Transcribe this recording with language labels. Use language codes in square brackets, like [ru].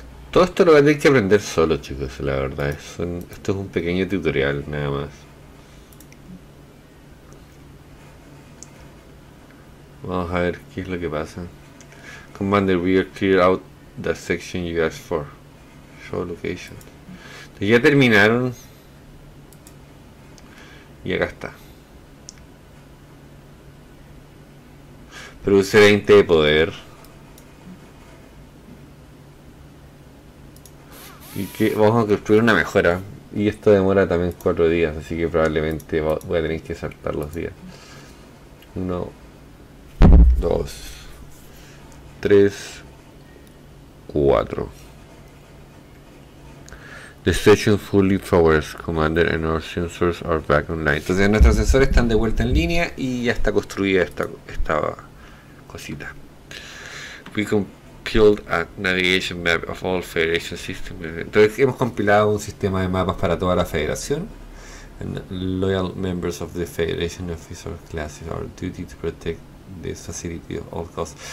[es] Todo esto lo tenéis que aprender solo, chicos, la verdad. Esto es un pequeño tutorial, nada más. Vamos a ver qué es lo que pasa. [en] Commander, we are clear out the section you asked for. Show location. [es] Ya terminaron. Y acá está. Produce 20 de poder. Y que vamos a construir una mejora. Y esto demora también 4 días, así que probablemente voy a tener que saltar los días. 1, 2, 3, 4. [en] The station fully powers, Commander, and our sensors are back online. [es] Entonces nuestros sensores están de vuelta en línea y ya está construida esta cosita. [en] We compiled a navigation map of all Federation systems. [es] Entonces hemos compilado un sistema de mapas para toda la Federación. [en] And loyal members of the Federation officer classes are duty to protect this facility at all costs.